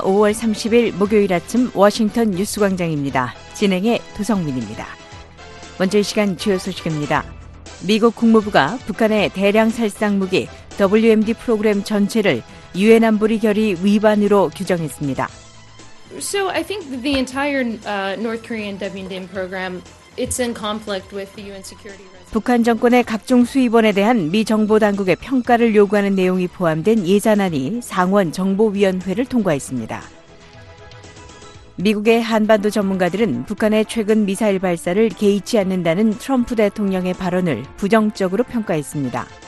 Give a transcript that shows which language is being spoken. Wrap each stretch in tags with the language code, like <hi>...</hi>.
<ko>5월 30일 목요일 아침 워싱턴 뉴스 광장입니다. 진행의 도성민입니다. 먼저 이 시간 주요 소식입니다. 미국 국무부가 북한의 대량 살상 무기 WMD 프로그램 전체를 유엔 안보리 결의 위반으로 규정했습니다.</ko> <en>So I think the entire North Korean WMD program it's in conflict with the UN security.</en> <ko>북한 정권의 각종 수입원에 대한 미 정보 당국의 평가를 요구하는 내용이 포함된 예산안이 상원 정보위원회를 통과했습니다. 미국의 한반도 전문가들은 북한의 최근 미사일 발사를 개의치 않는다는 트럼프 대통령의 발언을 부정적으로 평가했습니다.</ko>